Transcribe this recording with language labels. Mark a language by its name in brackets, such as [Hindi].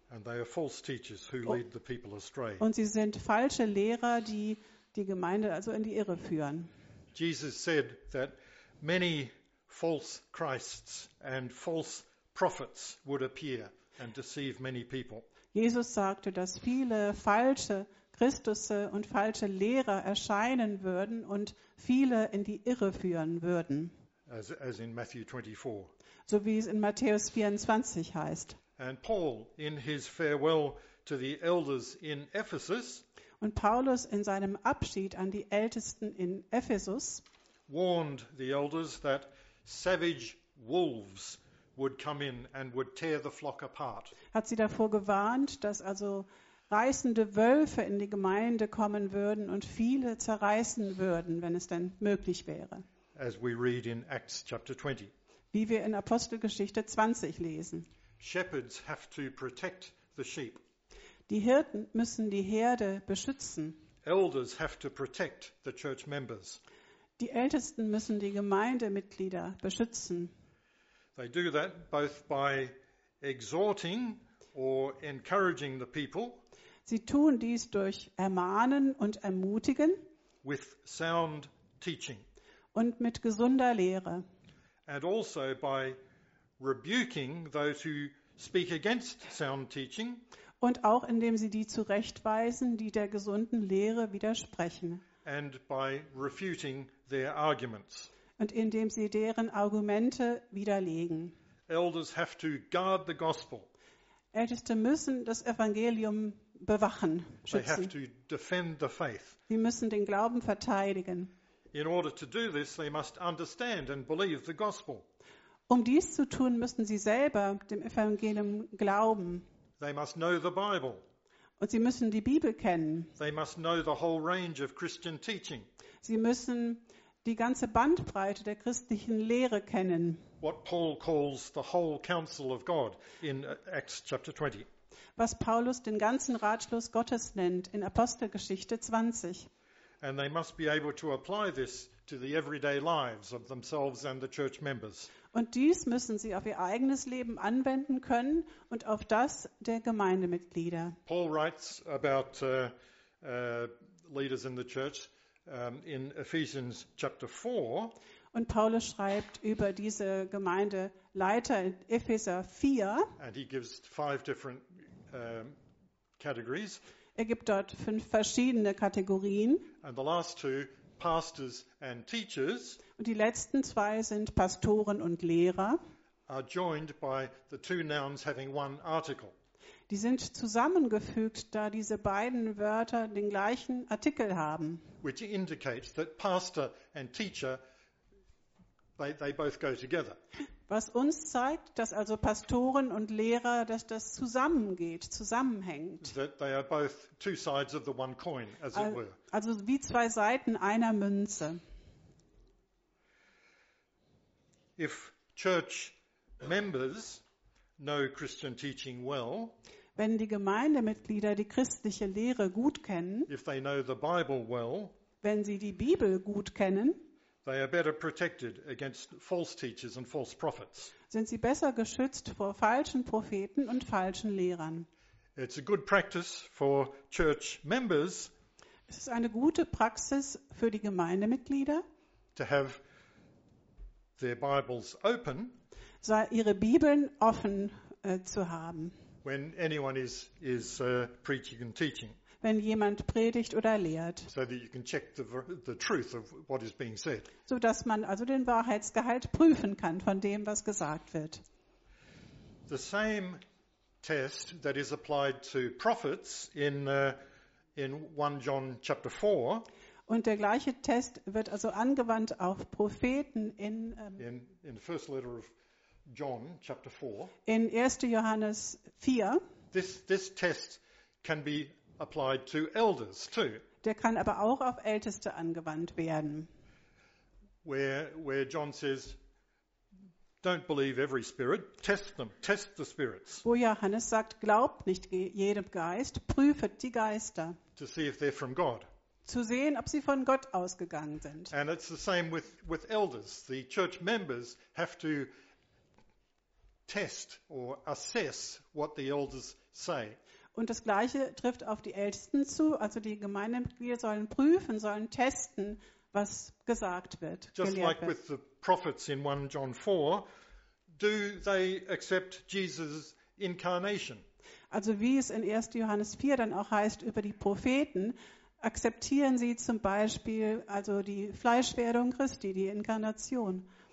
[English] And they are false teachers who lead the people astray. [German] Und sie sind falsche Lehrer, die die Gemeinde also in die Irre führen. [English] Jesus said that many false Christs and false prophets would appear and deceive many people. [German] Jesus sagte, dass viele falsche Christusse und falsche Lehrer erscheinen würden und viele in die Irre führen würden. [English] As in Matthew 24. [German] So wie es in Matthäus 24 heißt. [English] And Paul in his farewell to the elders in Ephesus. [German] Und Paulus in seinem Abschied an die Ältesten in Ephesus [English] warned the elders that savage wolves would come in and would tear the flock apart. [German] Hat sie davor gewarnt, dass also reißende Wölfe in die Gemeinde kommen würden und viele zerreißen würden, wenn es denn möglich wäre. [English] As we read in Acts chapter 20. [German] Wie wir in Apostelgeschichte 20 lesen. [English] Shepherds have to protect the sheep. [German] Die Hirten müssen die Herde beschützen. [English] Elders have to protect the church members. [German] Die Ältesten müssen die Gemeindemitglieder beschützen. [English] They do that both by exhorting or encouraging the people. [German] Sie tun dies durch Ermahnen und Ermutigen. [English] With sound teaching. [German] Und mit gesunder Lehre. [English] And also by rebuking those who speak against sound teaching. [German] Und auch indem sie die zurechtweisen, die der gesunden Lehre widersprechen. [English] And by refuting their arguments. [German] Und indem sie deren Argumente widerlegen. [English] Elders have to guard the gospel. [German] Älteste müssen das Evangelium bewachen, schützen. [English] They have to defend the faith. [German] Sie müssen den Glauben verteidigen. [English] In order to do this, they must understand and believe the gospel. [German] Um dies zu tun, müssen sie selber dem Evangelium glauben. [English] They must know the Bible. [German] Und sie müssen die Bibel kennen. [English] They must know the whole range of Christian teaching. [German] Sie müssen die ganze Bandbreite der christlichen Lehre kennen. [English] What Paul calls the whole counsel of God in Acts chapter 20. [German] Was Paulus den ganzen Ratschluss Gottes nennt in Apostelgeschichte 20. [English] And they must be able to apply this to the everyday lives of themselves and the church members. [German] Und dies müssen sie auf ihr eigenes Leben anwenden können und auf das der Gemeindemitglieder. [English] Paul writes about leaders in the church in Ephesians chapter 4. [German] Und Paulus schreibt über diese Gemeindeleiter in Epheser 4. [English] And he gives five different categories. [German] Er gibt dort fünf verschiedene Kategorien. [English] And the last two, pastors and teachers. [German] Und die letzten zwei sind Pastoren und Lehrer. [English] Are joined by the two nouns having one article. [German] Die sind zusammengefügt, da diese beiden Wörter den gleichen Artikel haben. [English] Which indicates that pastor and teacher, they both go together. [German] Was uns zeigt, dass also Pastoren und Lehrer, dass das zusammengeht, zusammenhängt. [English] That they are both two sides of the one coin, as it were. [German] Also wie zwei Seiten einer Münze. [English] If church members know Christian teaching well, [German] wenn die Gemeindemitglieder die christliche Lehre gut kennen, [English] if they know the Bible well, [German] wenn sie die Bibel gut kennen, [English] they are better protected against false teachers and false prophets. [German] Sind sie besser geschützt vor falschen Propheten und falschen Lehrern. [English] It's a good practice for church members. [German] Es ist eine gute Praxis für die Gemeindemitglieder. [English] To have their Bibles open. [German] Sei ihre Bibeln offen zu haben. [English] When anyone is preaching and teaching. [German] Wenn jemand predigt oder lehrt. [English] So that you can check the truth of what is being said. [German] So dass man also den Wahrheitsgehalt prüfen kann von dem, was gesagt wird. [English] The same test that is applied to prophets in 1 John chapter 4. [German] Und der gleiche Test wird also angewandt auf Propheten [English] in the first letter of John chapter 4. [German] In 1. Johannes 4. [English] This test can be applied to elders too. [German] Der kann aber auch auf Älteste angewandt werden. [English] Where John says, don't believe every spirit, test them, test the spirits. [German] Wo Johannes sagt, glaubt nicht jedem Geist, prüfet die Geister. [English] To see if they're from God. [German] Zu sehen, ob sie von Gott ausgegangen sind. [English] And it's the same with elders. The church members have to test or assess what the elders say. [German] Und das Gleiche trifft auf die Ältesten zu. Also die Gemeindemitglieder sollen prüfen, sollen testen, was gesagt wird, [English] just [German] gelehrt wird. [English] With the prophets in 1 John 4, do they accept Jesus' incarnation? [German] Also wie es in 1. Johannes 4 dann auch heißt über die Propheten, akzeptieren sie zum Beispiel also die Fleischwerdung Christi, die Inkarnation?